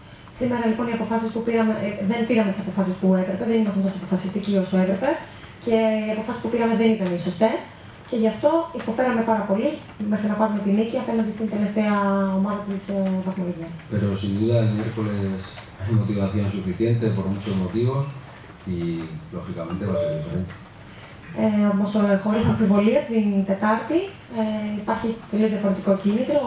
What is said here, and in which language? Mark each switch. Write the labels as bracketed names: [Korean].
[Greek] Σήμερα λοιπόν οι αποφάσεις που πήραμε, δεν πήραμε τις αποφάσεις που έπρεπε, δεν ήμασταν τόσο αποφασιστικοί όσο έπρεπε και οι αποφάσεις που πήραμε δεν ήταν οι σωστές. Και γι' αυτό υποφέραμε πάρα πολύ μέχρι να πάρουμε την νίκη απέναντι στην τελευταία ομάδα της βαθμολογίας. [Spanish] Pero sin duda el miércoles hay motivación suficiente por muchos motivos y lógicamente va a ser diferente. [Greek] Όμως χωρίς αμφιβολία την Τετάρτη υπάρχει τελείως διαφορετικό κίνητρο.